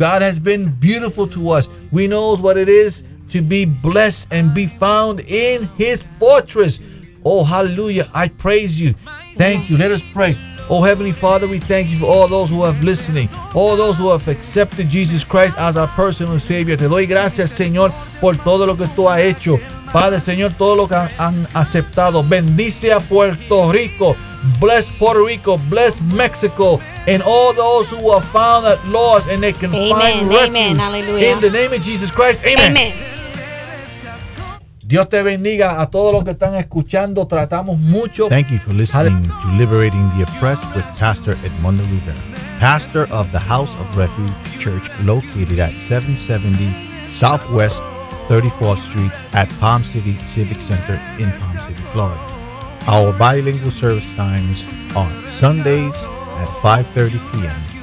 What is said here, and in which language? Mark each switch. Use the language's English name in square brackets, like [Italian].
[English] God has been beautiful to us. We know what it is to be blessed and be found in his fortress. Oh, hallelujah. I praise you. Thank you. Let us pray. Oh, Heavenly Father, we thank you for all those who have listening, all those who have accepted Jesus Christ as our personal Savior. [Spanish] Te doy gracias, Señor, por todo lo que tú has hecho. Padre, Señor, todo lo que han aceptado. Bendice a Puerto Rico. [English] Bless Puerto Rico. Bless Mexico. And all those who are found at lost and they can find refuge. Amen. Hallelujah. In the name of Jesus Christ. Amen. Amen. [Spanish] Dios te bendiga a todos los que están escuchando. Tratamos mucho. [English] Thank you for listening to Liberating the Oppressed with Pastor Edmundo Rivera, pastor of the House of Refuge Church located at 770 Southwest 34th Street at Palm City Civic Center in Palm City, Florida. Our bilingual service times are Sundays at 5:30 p.m.